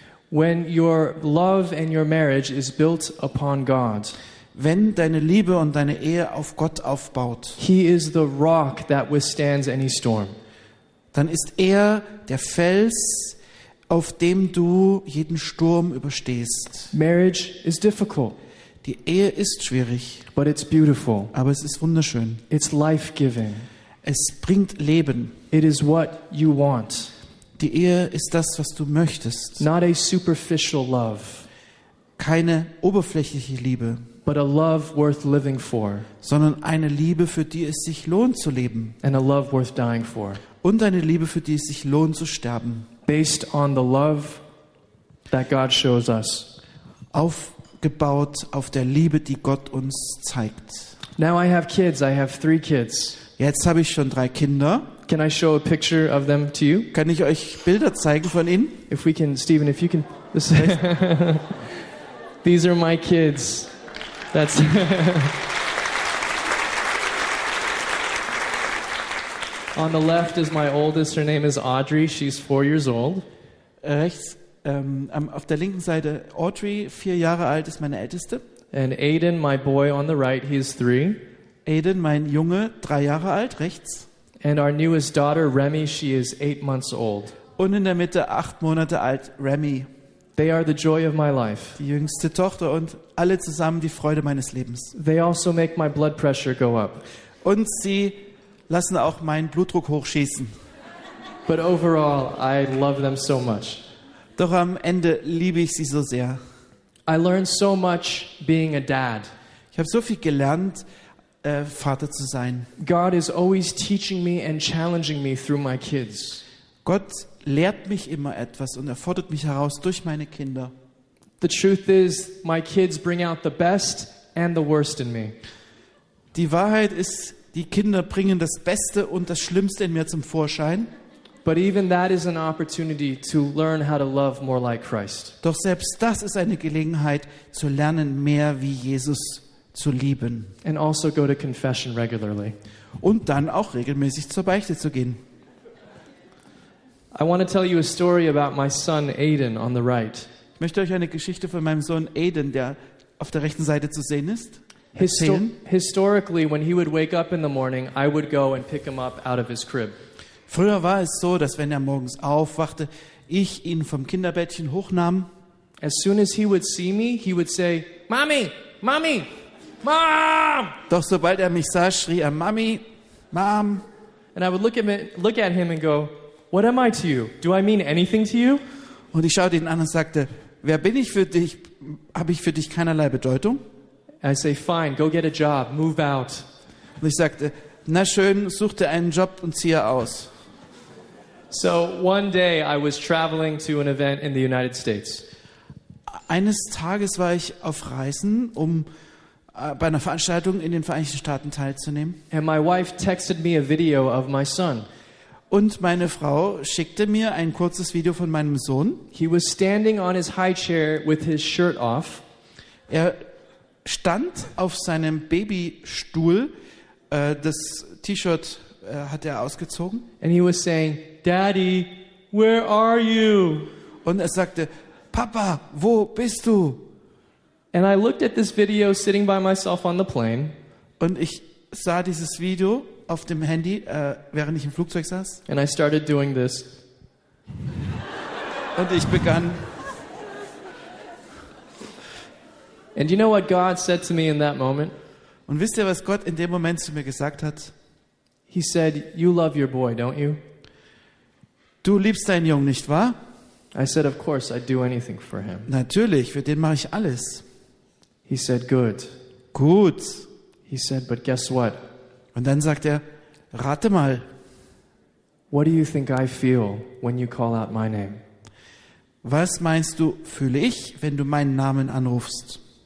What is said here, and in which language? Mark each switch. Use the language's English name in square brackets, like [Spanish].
[English] When your love and your marriage is built upon God. [German] Wenn deine Liebe und deine Ehe auf Gott aufbaut, [English] He is the rock that withstands any storm. [German] Dann ist er der Fels, auf dem du jeden Sturm überstehst. [English] Marriage is difficult. [German] Die Ehe ist schwierig, [English] but it's beautiful. [German] Aber es ist wunderschön. [English] It's life-giving. [German] Es bringt Leben. [English] It is what you want. [German] Die Ehe ist das, was du möchtest. [English] Not a superficial love. [German] Keine oberflächliche Liebe. [English] But a love worth living for. [German] Sondern eine Liebe, für die es sich lohnt zu leben. [English] And a love worth dying for. [German] Und eine Liebe, für die es sich lohnt zu sterben. [English] Based on the love that God shows us. [German] Aufgebaut auf der Liebe, die Gott uns zeigt. [English] Now I have kids. I have three kids. [German] Jetzt habe ich schon drei Kinder. [English] Can I show a picture of them to you? [German] Kann ich euch Bilder zeigen von ihnen? [English] If we can, Stephen, if you can. These are my kids. That's On the left is my oldest. Her name is Audrey. She's 4 years old. [German] Rechts, auf der linken Seite Audrey, 4 Jahre alt, ist meine Älteste. [English] And Aiden, my boy on the right, he's 3. [German] Aiden, mein Junge, 3 Jahre alt, rechts. [English] And our newest daughter, Remy, she is 8 months old. [German] Und in der Mitte, 8 Monate alt, Remy. [English] They are the joy of my life. [German] Die jüngste Tochter und alle zusammen die Freude meines Lebens. [English] They also make my blood pressure go up. [German] Und sie lassen auch meinen Blutdruck hochschießen. [English] But overall, I love them so much. [German] Doch am Ende liebe ich sie so sehr. [English] I learned so much being a dad. [German] Ich habe so viel gelernt, Vater zu sein. [English] God is always teaching me and challenging me through my kids. [German] Gott lehrt mich immer etwas und fordert mich heraus durch meine Kinder. [English] The truth is, my kids bring out the best and the worst in me. [German] Die Wahrheit ist, die Kinder bringen das Beste und das Schlimmste in mir zum Vorschein. [English] But even that is an opportunity to learn how to love more like Christ. [German] Doch selbst das ist eine Gelegenheit zu lernen, mehr wie Jesus zu lieben. [English] And also go to confession regularly. [German] Und dann auch regelmäßig zur Beichte zu gehen. [English] I want to tell you a story about my son Aiden on the right. [German] Ich möchte euch eine Geschichte von meinem Sohn Aiden, der auf der rechten Seite zu sehen ist, erzählen. [English] Historically, when he would wake up in the morning, I would go and pick him up out of his crib. [German] Früher war es so, dass wenn er morgens aufwachte, ich ihn vom Kinderbettchen hochnahm. [English] As soon as he would see me, he would say, "Mommy, Mommy, Mom!" [German] Doch sobald er mich sah, schrie er, "Mommy, Mom!" [English] And I would look at him and go, "What am I to you? Do I mean anything to you?" [German] Und ich schaute ihn an und sagte, "Wer bin ich für dich? Habe ich für dich keinerlei Bedeutung?" [English] I say, "Fine, go get a job, move out." [German] Und ich sagte, "Na schön, such dir einen Job und ziehe aus." [English] So one day I was traveling to an event in the United States. [German] Eines Tages war ich auf Reisen, um bei einer Veranstaltung in den Vereinigten Staaten teilzunehmen. [English] And my wife texted me a video of my son. [German] Und meine Frau schickte mir ein kurzes Video von meinem Sohn. [English] He was standing on his high chair with his shirt off. [German] Er stand auf seinem Babystuhl. Das T-Shirt hat er ausgezogen. [English] And he was saying, "Daddy, where are you?" [German] Und er sagte, "Papa, wo bist du?" [English] And I looked at this video sitting by myself on the plane. [German] Und ich sah dieses Video auf dem Handy, während ich im Flugzeug saß. [English] And I started doing this. [German] Und ich begann. [English] And you know what God said to me in that moment? [German] Und wisst ihr, was Gott in dem Moment zu mir gesagt hat? [English] He said, "You love your boy, don't you?" [German] Du liebst deinen Jungen, nicht wahr? [English] I said, "Of course, I'd do anything for him." [German] Natürlich, für den mache ich alles. [English] He said, "Good." [German] Gut. [English] He said, "But guess what?" [German] Und dann sagt er, rate mal. [English] "What do you think I feel when you call out my name?" [German] Was meinst du, fühle ich, wenn du meinen Namen anrufst?